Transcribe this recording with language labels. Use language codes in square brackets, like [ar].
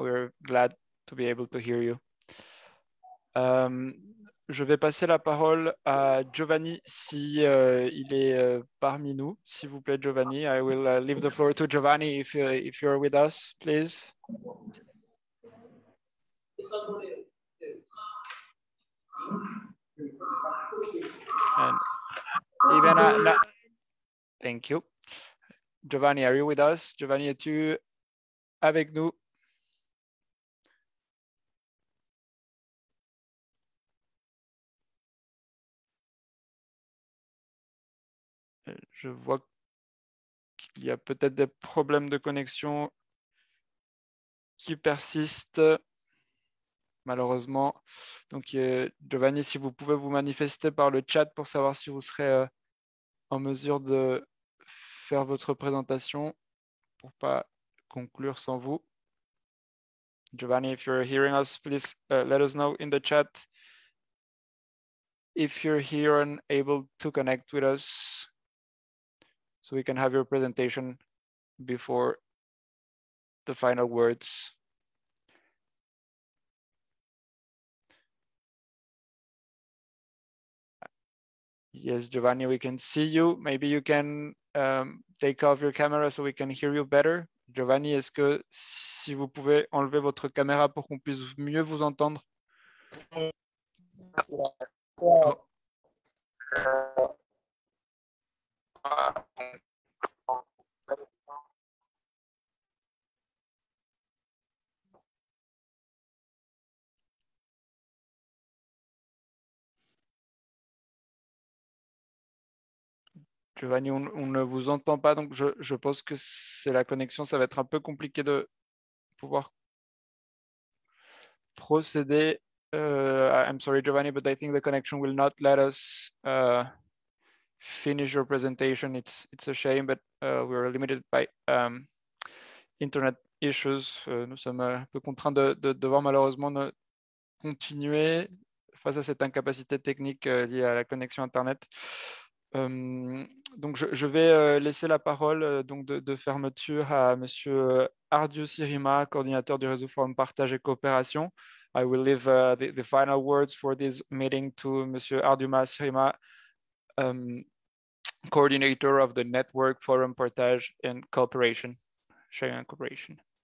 [en] We're glad to be able to hear you. [fr] Je vais passer la parole à Giovanni si il est parmi nous. S'il vous plaît, [en] Giovanni, I will leave the floor to Giovanni if you're with us, please. Ivana, thank you. Giovanni, are you with us? [fr] Giovanni, es-tu avec nous? Je vois qu'il y a peut-être des problèmes de connexion qui persistent, malheureusement. Donc, Giovanni, si vous pouvez vous manifester par le chat pour savoir si vous serez en mesure de faire votre présentation pour ne pas conclure sans vous. [en] Giovanni, if you're hearing us, please let us know in the chat. If you're here and able to connect with us, so we can have your presentation before the final words. Yes, Giovanni, we can see you. Maybe you can take off your camera so we can hear you better. [fr] Giovanni, est-ce que si vous pouvez enlever votre caméra pour qu'on puisse mieux vous entendre? Giovanni, on ne vous entend pas, donc je pense que c'est la connexion. Ça va être un peu compliqué de pouvoir procéder. [en] I'm sorry, Giovanni, but I think the connection will not let us finish your presentation. It's a shame, but we are limited by internet issues. [fr] Nous sommes un peu contraints de devoir malheureusement continuer face à cette incapacité technique liée à la connexion internet. Donc je vais laisser la parole donc de fermeture à Monsieur Ardio Sirima, coordinateur du réseau Forum Partage et Coopération. [en] I will leave the final words for this meeting to Monsieur Ardio Sirima, coordinator of the Network Forum Partage and Cooperation, Sharing and Cooperation.